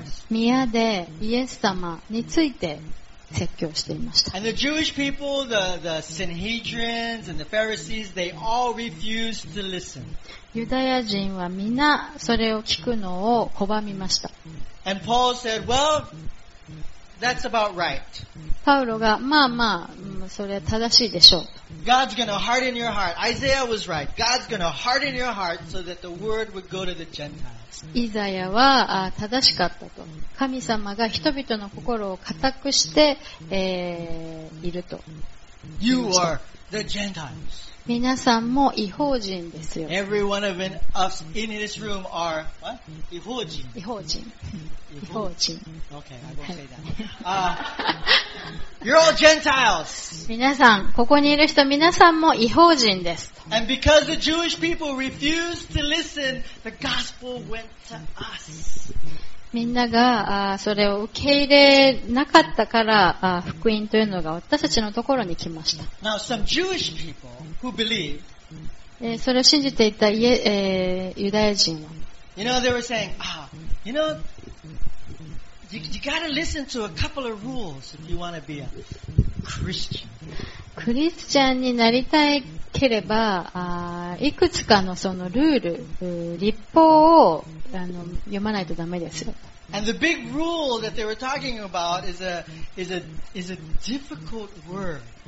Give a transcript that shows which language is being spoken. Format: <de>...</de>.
<ja>宮でイエス様について説教していました。</ja> <en>And the Jewish people, the Sanhedrins and the Pharisees, they all refused to listen.</en> <ja>ユダヤ人はみなそれを聞くのを拒みました。</ja> <en>And Paul said, well, that's about right.</en> <ja>パウロが、まあまあ、それは正しいでしょう。</ja> <en>God's gonna harden your heart. Isaiah was right. God's gonna harden your heart so that the word would go to the Gentiles.</en> <ja>イザヤは正しかったと。神様が人々の心を固くして、いると。</ja> <en>You are the Gentiles.</en> <ja>皆さんも異邦人ですよ。</ja> <en>Every one of us in this room are what?</en> <ja>異邦人。異邦人。異邦人。</ja> <en>Okay, I will say that. You're all Gentiles.</en> <ja>皆さん、ここにいる人、皆さんも異邦人です。</ja> <en>And because the Jewish people refused to listen, the gospel went to us.</en> <ja>みんながそれを受け入れなかったから福音というのが私たちのところに来ました。</ja> <en>Now, some Jewish people who believe,</en> <ja>それを信じていたユダヤ人は</ja> <en>You know, they were saying, you know, you gotta listen to a couple of rules if you wanna be a Christian.</en> <ja>クリスチャンになりたいければいくつかのそのルール、立法を読まないとダメですよ。</ja> <en>And the big rule that they were talking about is a difficult word.</en>